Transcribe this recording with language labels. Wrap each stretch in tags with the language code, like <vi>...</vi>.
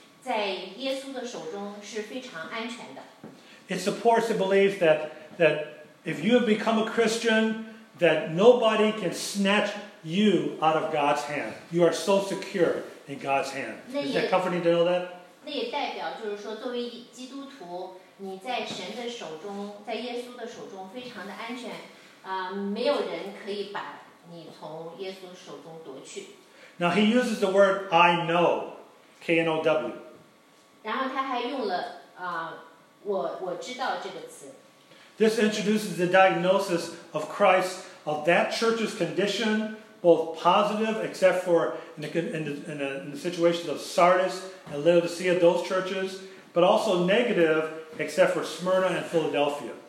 <zh>在耶稣的手中是非常安全的。</zh> <en>It supports the belief that if you have become a Christian, that nobody can snatch you out of God's hand. You are so secure in God's hand. Is that comforting to know that?</en> <zh>那也代表就是说，作为基督徒，你在神的手中，在耶稣的手中非常的安全。没有人可以把你从耶稣手中夺去。</zh> <en>Now he uses the word I know. K-N-O-W.</en> <zh>然后他还用了我知道这个词。</zh> <en>This introduces the diagnosis of Christ of that church's condition, both positive, except for in the situations of Sardis and Laodicea, those churches, but also negative, except for Smyrna and Philadelphia.</en>